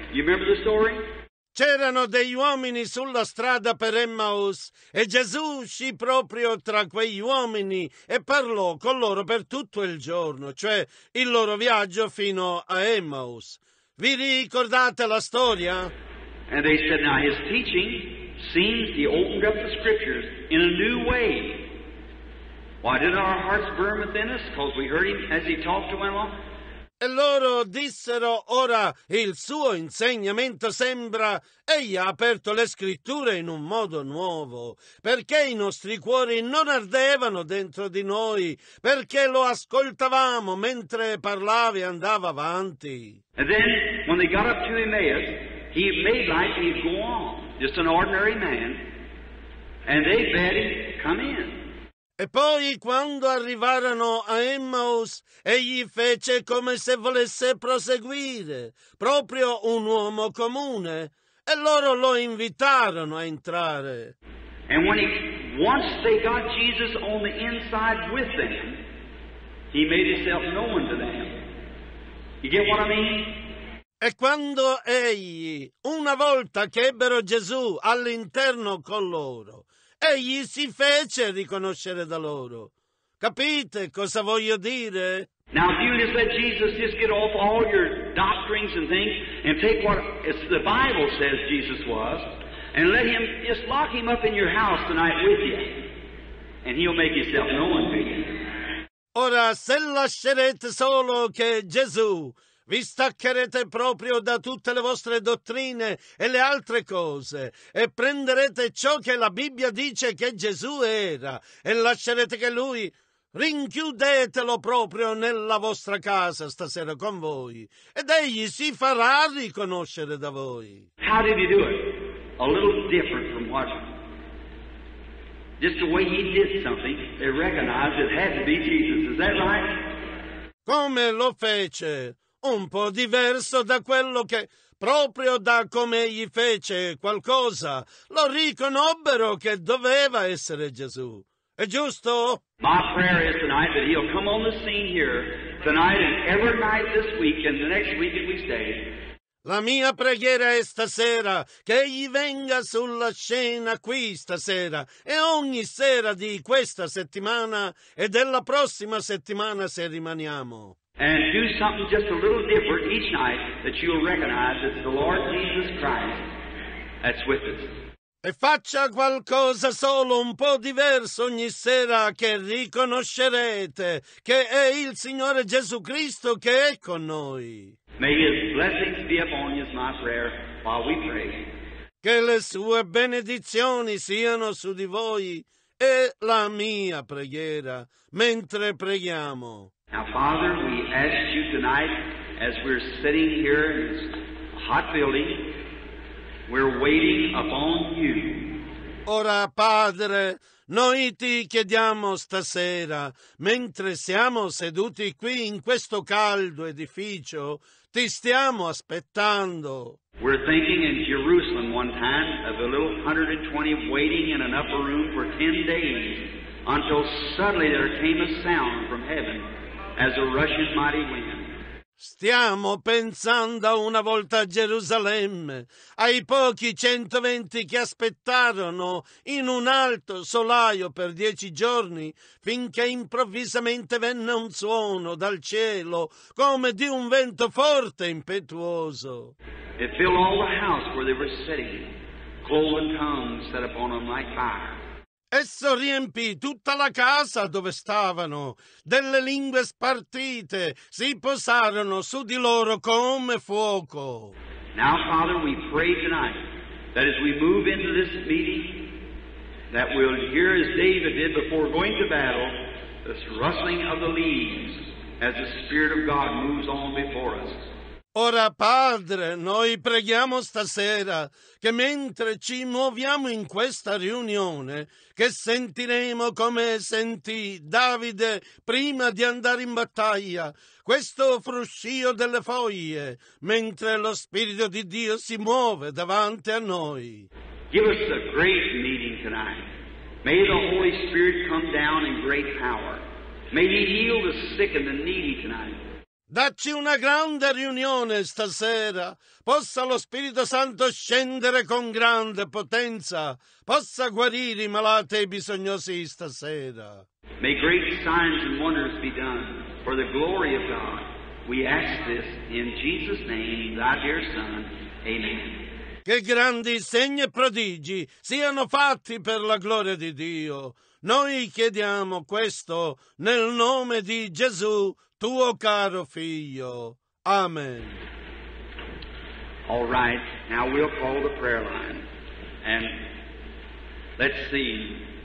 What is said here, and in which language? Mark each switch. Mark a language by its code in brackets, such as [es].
[en] You remember the story? [it] C'erano degli uomini sulla strada per Emmaus, e Gesù uscì proprio tra quegli uomini e parlò con loro per tutto il giorno, cioè il loro viaggio fino a Emmaus. Vi ricordate la storia? [en] And they said, now his teaching seems he opened up the scriptures in a new way. Why did our hearts burn within us? Because we heard him as he talked to him. [it] E loro dissero, ora il suo insegnamento sembra, egli ha aperto le scritture in un modo nuovo, perché i nostri cuori non ardevano dentro di noi, perché lo ascoltavamo mentre parlava e andava avanti. [en] And then, when they got up to Emmaus, he made like he'd go on, just an ordinary man, and they bade him come in. [it] E poi, quando arrivarono a Emmaus, egli fece come se volesse proseguire, proprio un uomo comune, e loro lo invitarono a entrare. [en] And when once they got Jesus on the inside with them, he made himself known to them. You get what I mean? [it] E quando egli, una volta che ebbero Gesù all'interno con loro, egli si fece riconoscere da loro. Capite cosa voglio dire? [en] Now, if you just let Jesus just get off all your doctrines and things and take what the Bible says Jesus was and let him just lock him up in your house tonight with you and he'll make himself known to you. [it] Ora, se lascerete solo che Gesù, vi staccherete proprio da tutte le vostre dottrine e le altre cose e prenderete ciò che la Bibbia dice che Gesù era e lascerete che lui, rinchiudetelo proprio nella vostra casa stasera con voi ed egli si farà riconoscere da voi. [en] How did he do it? A little different from what? Just the way he did something, they recognized it had to be Jesus. Is that right? [it] Come lo fece? Un po' diverso da quello che, proprio da come egli fece qualcosa, lo riconobbero che doveva essere Gesù. È giusto? [en] My prayer is tonight that he'll come on the scene here, tonight and every night this week and the next week that we stay. [it] La mia preghiera è stasera che egli venga sulla scena qui stasera e ogni sera di questa settimana e della prossima settimana se rimaniamo. [en] And do something just a little different each night that you'll recognize it's the Lord Jesus Christ that's with us. [it] E faccia qualcosa solo un po' diverso ogni sera che riconoscerete che è il Signore Gesù Cristo che è con noi. [en] May his blessings be upon you, my prayer, while we pray. [it] Che le sue benedizioni siano su di voi e la mia preghiera mentre preghiamo. [en] Now, Father, we ask you tonight, as we're sitting here in this hot building, we're waiting upon you. [it] Ora, Padre, noi ti chiediamo stasera, mentre siamo seduti qui in questo caldo edificio, ti stiamo aspettando. [en] We're thinking in Jerusalem one time of a little 120 waiting in an upper room for 10 days, until suddenly there came a sound from heaven. As a rushing mighty wind. [it] Stiamo pensando una volta a Gerusalemme, ai pochi 120 che aspettarono in un alto solaio per 10 giorni, finché improvvisamente venne un suono dal cielo, come di un vento forte e impetuoso. [en] It filled all the house where they were sitting, cloven tongues set upon them like fire. [it] Esso riempì tutta la casa dove stavano. Delle lingue spartite si posarono su di loro come fuoco. [en] Now, Father, we pray tonight that as we move into this meeting, that we'll hear as David did before going to battle, this rustling of the leaves as the Spirit of God moves on before us. [it] Ora, Padre, noi preghiamo stasera che mentre ci muoviamo in questa riunione, che sentiremo come sentì Davide prima di andare in battaglia, questo fruscio delle foglie, mentre lo Spirito di Dio si muove davanti a noi. [en] Give us a great meeting tonight. May the Holy Spirit come down in great power. May He heal the sick and the needy tonight. [it] Dacci una grande riunione stasera, possa lo Spirito Santo scendere con grande potenza, possa guarire i malati e i bisognosi stasera. [en] May great signs and wonders be done for the glory of God. We ask this in Jesus' name, thy dear Son. Amen. [it] Che grandi segni e prodigi siano fatti per la gloria di Dio. Noi chiediamo questo nel nome di Gesù, tuo caro figlio. Amen. [en] All right, now we'll call the prayer line. And let's see.